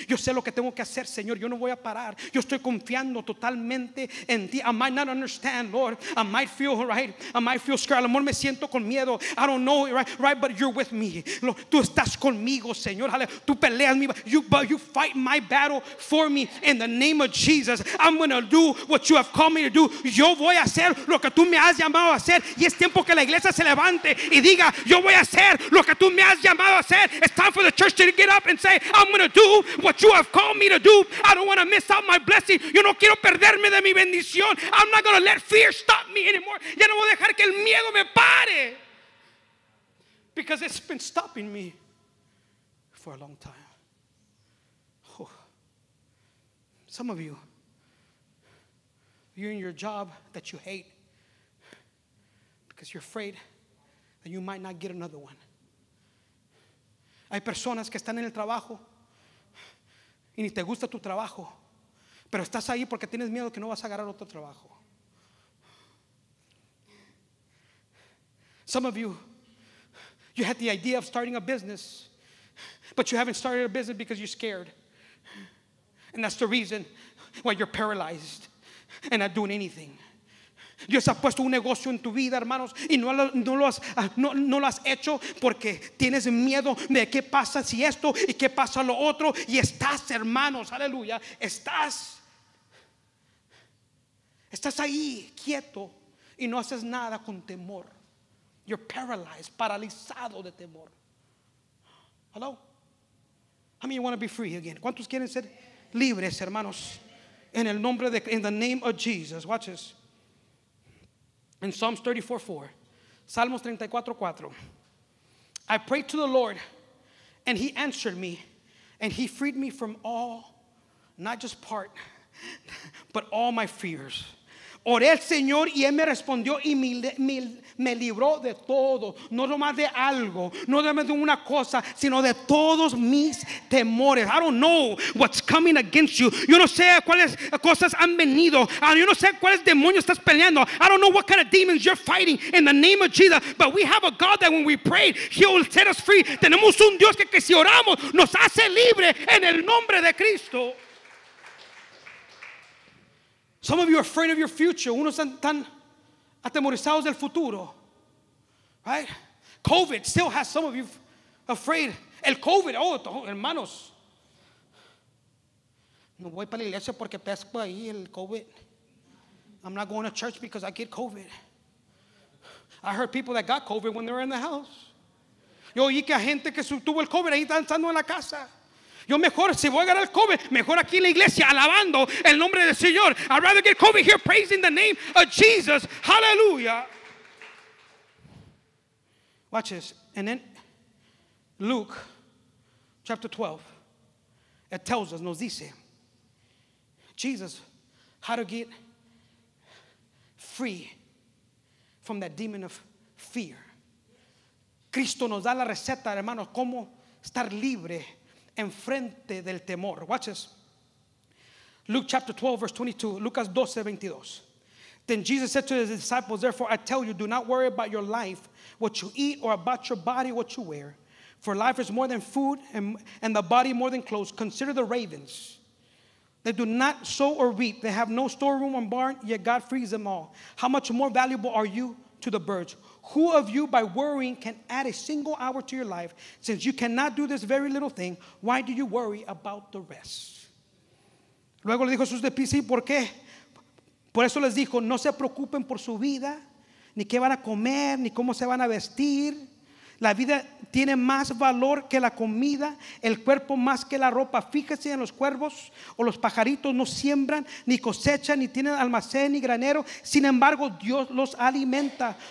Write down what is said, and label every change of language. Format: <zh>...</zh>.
<es>Yo sé lo que tengo que hacer, Señor. Yo no voy a parar. Yo estoy confiando totalmente en ti.</es> <en>I might not understand, Lord. I might feel, right? I might feel scared.</en> <es>A lo mejor me siento con miedo.</es> <en>I don't know, right? But you're with me. Lord,</en> <es>tú estás conmigo, Señor. Tú peleas mi.</es> <en>You fight my battle for me in the name of Jesus. I'm gonna do what you have called me to do.</en> <es>Yo voy a hacer lo que tú me has llamado a hacer.</es> <en>Y es tiempo que la iglesia se levante y diga, yo voy a hacer lo que tú me has llamado a hacer. It's time for the church to get up and say, I'm going to do what you have called me to do. I don't want to miss out my blessing.</en> <es>Yo no quiero perderme de mi bendición.</es> <en>I'm not going to let fear stop me anymore.</en> <es>Ya no voy a dejar que el miedo me pare.</es> <en>Because it's been stopping me for a long time. Oh. Some of you, you're in your job that you hate because you're afraid that you might not get another one.</en> <es>Hay personas que están en el trabajo y ni te gusta tu trabajo, pero estás ahí porque tienes miedo que no vas a agarrar otro trabajo.</es> <en>Some of you, you had the idea of starting a business, but you haven't started a business because you're scared. And that's the reason why you're paralyzed and not doing anything.</en> <es>Dios ha puesto un negocio en tu vida, hermanos, y no lo has hecho porque tienes miedo de qué pasa si esto y qué pasa lo otro. Y estás, hermanos, aleluya, estás ahí quieto y no haces nada con temor.</es> <en>You're paralyzed,</en> <es>paralizado de temor.</es> <en>Hello? How many want to be free again?</en> <es>¿Cuántos quieren ser libres, hermanos? En el nombre de,</es> <en>in the name of Jesus. Watch this. In Psalms 34:4, Salmos 34:4, I prayed to the Lord and he answered me and he freed me from all, not just part, but all my fears.</en> <es>Oré al Señor y él me respondió y me libró de todo, no nomás de algo, no nomás de una cosa, sino de todos mis temores.</es> <en>I don't know what's coming against you.</en> <es>Yo no sé cuáles cosas han venido. Yo no sé cuáles demonios estás peleando.</es> <en>I don't know what kind of demons you're fighting in the name of Jesus. But we have a God that when we pray, he will set us free.</en> <es>Tenemos un Dios que si oramos nos hace libre en el nombre de Cristo.</es> <en>Some of you are afraid of your future.</en> <es>Unos están atemorizados del futuro.</es> <en>Right? COVID still has some of you afraid.</en> <es>El COVID, hermanos. No voy para la iglesia porque pesco ahí el COVID.</es> <en>I'm not going to church because I get COVID. I heard people that got COVID when they were in the house.</en> <es>Yo oí que a gente que tuvo el COVID ahí danzando en la casa. Yo mejor, si voy a ganar el COVID, mejor aquí en la iglesia, alabando el nombre del Señor.</es> <en>I'd rather get COVID here praising the name of Jesus. Hallelujah. Watch this. And then Luke chapter 12, it tells us,</en> <es>nos dice,</es> <en>Jesus, how to get free from that demon of fear.</en> <es>Cristo nos da la receta, hermanos, cómo estar libre enfrente del temor.</es> <en>Watch this. Luke chapter 12 verse 22.</en> <es>Lucas 12, 22.</es> <en>Then Jesus said to his disciples, therefore I tell you, do not worry about your life, what you eat, or about your body, what you wear. For life is more than food, and the body more than clothes. Consider the ravens. They do not sow or reap. They have no storeroom or barn, yet God feeds them all. How much more valuable are you to the birds? Who of you by worrying can add a single hour to your life? Since you cannot do this very little thing, why do you worry about the rest?</en> <es>Luego le dijo a sus discípulos, ¿por qué? Por eso les dijo, no se preocupen por su vida, ni qué van a comer, ni cómo se van a vestir. La vida tiene más valor que la comida, el cuerpo más que la ropa. Fíjese en los cuervos o los pajaritos, no siembran ni cosechan ni tienen almacén ni granero, sin embargo Dios los alimenta.</es>